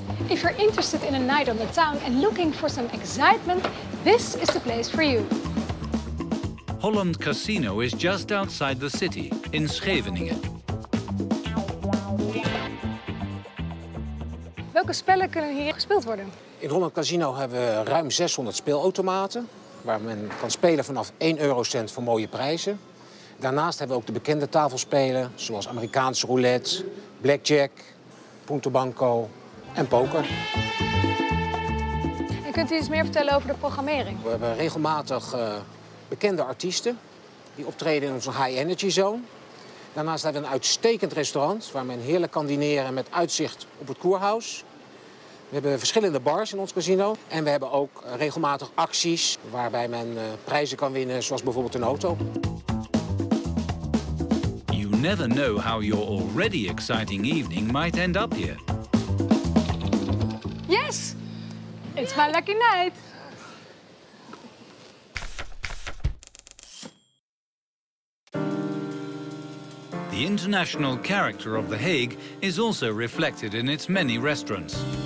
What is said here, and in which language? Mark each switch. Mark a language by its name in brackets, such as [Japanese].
[English] If you're interested in a night on the town and looking for some excitement, this is the place for you. Holland Casino is just outside the city, in Scheveningen. [Dutch] Welke spellen kunnen hier gespeeld worden? In Holland Casino hebben we ruim 600 speelautomaten, waar men kan spelen vanaf 1 eurocent voor mooie prijzen. Daarnaast hebben we ook de bekende tafelspelen, zoals Amerikaanse roulette, blackjack, punto banco en poker. En kunt u iets meer vertellen over de programmering? We hebben regelmatig bekende artiesten die optreden in onze [English] high energy zone. [Dutch] Daarnaast hebben we een uitstekend restaurant waar men heerlijk kan dineren met uitzicht op het Kurhaus. We hebben verschillende bars in ons casino en we hebben ook regelmatig acties waarbij men prijzen kan winnen, zoals bijvoorbeeld een auto. [English] You never know how your already exciting evening might end up here. Yes! It's my lucky night! The international character of The Hague is also reflected in its many restaurants.